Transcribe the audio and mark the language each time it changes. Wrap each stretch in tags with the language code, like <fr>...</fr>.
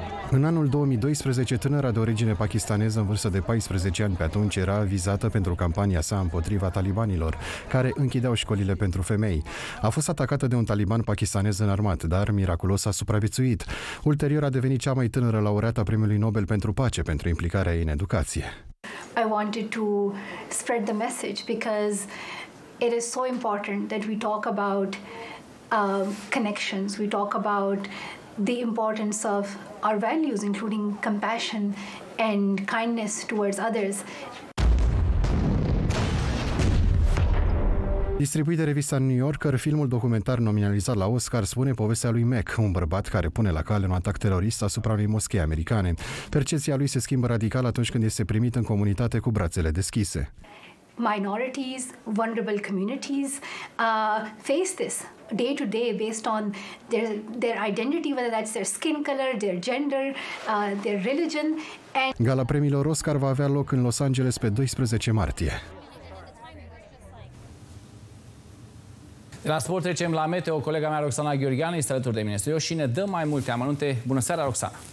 <ro>În anul 2012, tânăra de origine pakistaneză în vârstă de 14 ani pe atunci era vizată pentru campania sa împotriva talibanilor, care închideau școlile pentru femei. A fost atacată de un taliban pakistanez înarmat, dar miraculos a supraviețuit. Ulterior a devenit cea mai tânără laureată a primului Nobel pentru pace pentru implicarea ei în educație.</ro> <en>I wanted to spread the message because it is so important that we talk about connections, we talk about the importance of our values, including compassion and kindness towards others.</en> <ro>Distribuit de revista New Yorker, filmul documentar nominalizat la Oscar spune povestea lui Mac, un bărbat care pune la cale un atac terorist asupra unei moschei americane. Percepția lui se schimbă radical atunci când este primit în comunitate cu brațele deschise.</ro> <en>Minorities, vulnerable communities face this day to day based on their identity, whether that's their skin color, their gender, their religion. And</en> <ro>gala premiilor Oscar va avea loc în Los Angeles pe 12 martie. La sport trecem la meteo. Colega mea Roxana Gheorghean este alături de mine și ne dă mai multe amănunte. Bună seara, Roxana!</ro>